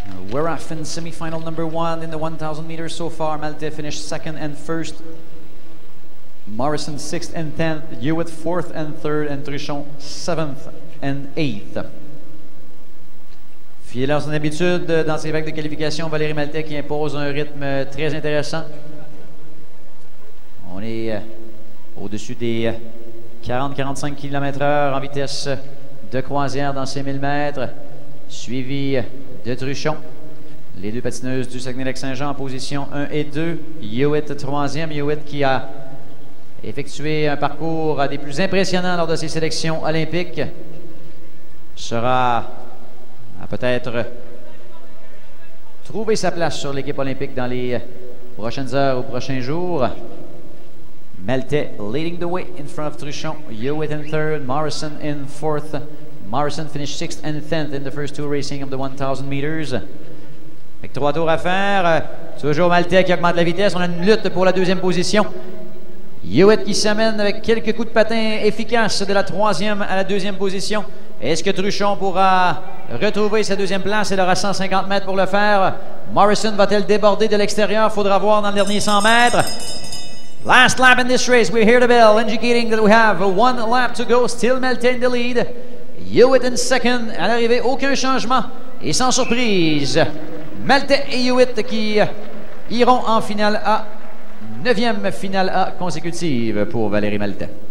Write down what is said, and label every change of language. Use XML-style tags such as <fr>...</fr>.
<en>We're off in semi-final number 1 in the 1000 meters so far. Malte finished 2nd and 1st. Morrison 6th and 10th, Hewitt 4th and 3rd, and Trichon 7th and 8th.</en> <fr>Fidèle à son habitude dans ces vagues de qualification, Valérie Maltais qui impose un rythme très intéressant. On est au-dessus des 40-45 km/h en vitesse de croisière dans ces 1000 mètres, suivi de Trichon. Les deux patineuses du Saguenay-Lac-Saint-Jean en position 1 et 2. Hewitt 3e, Hewitt qui a effectué un parcours des plus impressionnants lors de ses sélections olympiques, sera à peut-être trouver sa place sur l'équipe olympique dans les prochaines heures ou prochains jours.</fr> <en>Maltais leading the way in front of Trichon. Hewitt in third, Morrison in fourth. Morrison finished 6th and 10th in the first 2 racing of the 1000 meters.</en> <fr>Avec 3 tours à faire, toujours Maltais qui augmente la vitesse. On a une lutte pour la 2e position. Hewitt qui s'amène avec quelques coups de patin efficaces de la 3e à la 2e position. Est-ce que Trichon pourra retrouver sa 2e place? Elle aura 150 mètres pour le faire. Morrison va-t-elle déborder de l'extérieur? Faudra voir dans le dernier 100 mètres.</fr> <en>Last lap in this race. We hear the bell indicating that we have one lap to go. Still maintain the lead. Hewitt in second.</en> <fr>À l'arrivée, aucun changement. Et sans surprise, Maltais et Hewitt qui iront en finale à 9e finale A consécutive pour Valérie Maltais.</fr>